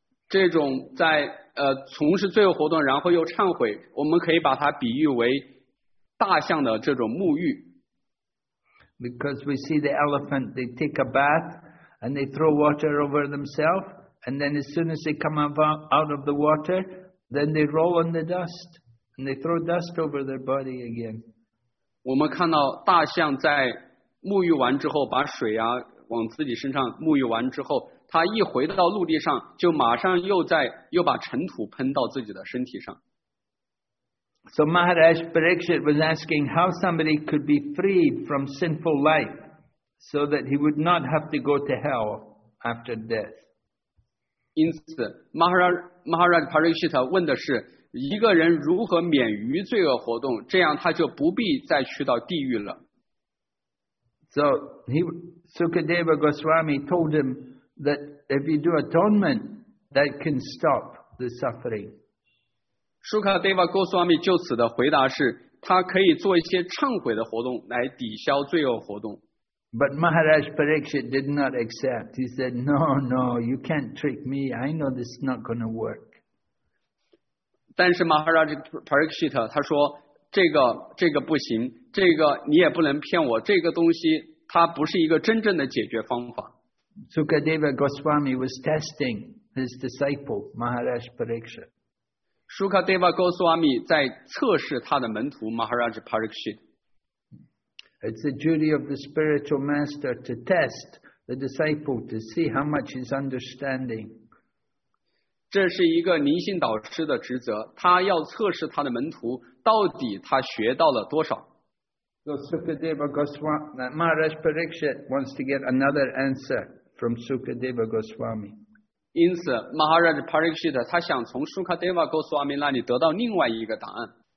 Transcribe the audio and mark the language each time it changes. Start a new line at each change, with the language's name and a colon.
Chinese: 这种在从事罪恶活动然后又忏悔，我们可以把它比喻为大象的这种沐浴。
English: Because we see the elephant, they take a bath and they throw water over themselves, and then as soon as they come out of the water,Then they roll on the dust, and they throw dust over their body again.
Chinese: 我们看到大象在沐浴完之后，把水啊往自己身上沐浴完之后，它一回到陆地上，就马上又把尘土喷到自己的身体上。
English: So Maharaj Parikshit was asking how somebody could be freed from sinful life so that he would not have to go to hell after death.
Chinese: 因此Maharaj Parikshit 问的是一个人如何免于罪恶活动，这样他就不必再去到地狱了。
English: So Sukadeva Goswami told him that if you do atonement that can stop the suffering.
Chinese: Sukadeva Goswami 就此的回答是他可以做一些忏悔的活动来抵消罪恶活动。
English: But Maharaj Parikshit did not accept. He said, No, no, you can't trick me. I know this is not going to work.
Chinese: 但是 Maharaj Parikshit 他说这个不行，这个你也不能骗我，这个东西它不是一个真正的解决方法。
English: Sukadeva Goswami was testing his disciple Maharaj Parikshit.
Chinese: Sukadeva Goswami 在测试他的门徒 Maharaj Parikshit.
English: It's the duty of the spiritual master to test the disciple to see how much his understanding.
Chinese: 这是一个灵性导师的职责，他要测试他的门徒到底他学到了多少。
English: So Sukadeva Goswami, Maharaj Pariksit wants to get another answer from Sukadeva Goswami.
Chinese: 因此 ，Maharaj Pariksit 他想从 Sukadeva Goswami 那里得到另外一个答案。